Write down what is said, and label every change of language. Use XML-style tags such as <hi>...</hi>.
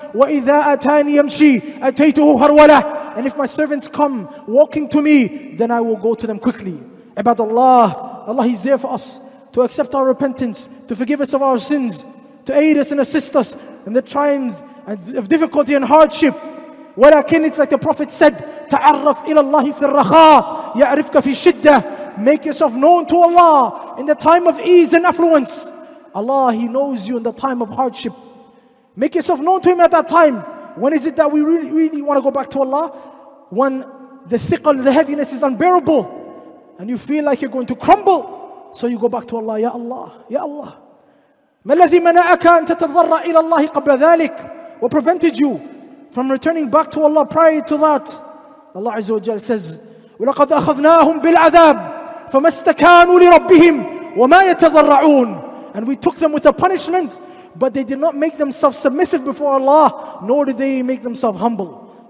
<ar>وَإِذَا أَتَانِي يَمْشِي أَتَيْتُهُ هَرْوَلَةً.</ar> <en>And if my servants come walking to me, then I will go to them quickly. Ibadallah, Allah is there for us to accept our repentance, to forgive us of our sins, to aid us and assist us in the times of difficulty and hardship.</en> <ar>ولكن</ar> <en>it's like the Prophet said,</en> <ar>تعرف إلى الله في الرخاء يعرفك في الشدة.</ar> <en>Make yourself known to Allah in the time of ease and affluence. Allah, He knows you in the time of hardship. Make yourself known to Him at that time. When is it that we really, really want to go back to Allah? When the thiqal, the heaviness is unbearable and you feel like you're going to crumble. So you go back to Allah. Ya Allah, Ya Allah.</en> <ar>ما الذي منعك أن تتضرع إلى الله قبل ذلك?</ar> <en>What prevented you from returning back to Allah prior to that? Allah Azza wa Jal says,</en> <ar>وَلَقَدْ أَخَذْنَاهُمْ بِالْعَذَابِ فَمَا اسْتَكَانُوا لِرَبِّهِمْ وَمَا يَتَضَرَّعُونَ.</ar> <en>And we took them with a punishment, but they did not make themselves submissive before Allah, nor did they make themselves humble.</en>